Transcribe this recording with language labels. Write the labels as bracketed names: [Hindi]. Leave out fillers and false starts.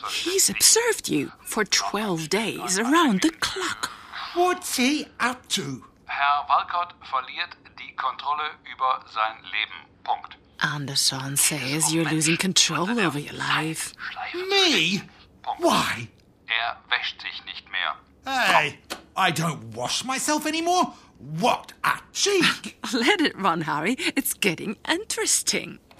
[English] He's observed you for 12 days around the clock. What's he up to? [German] Herr Walcott verliert die Kontrolle über sein Leben. Punkt. [English] Anderson says you're losing control over your life. Me? [German] Punkt. [English] Why? [German] Er wäscht sich nicht mehr. [English] Hey, I don't wash myself anymore. What a cheek! Let it run, Harry. It's getting interesting.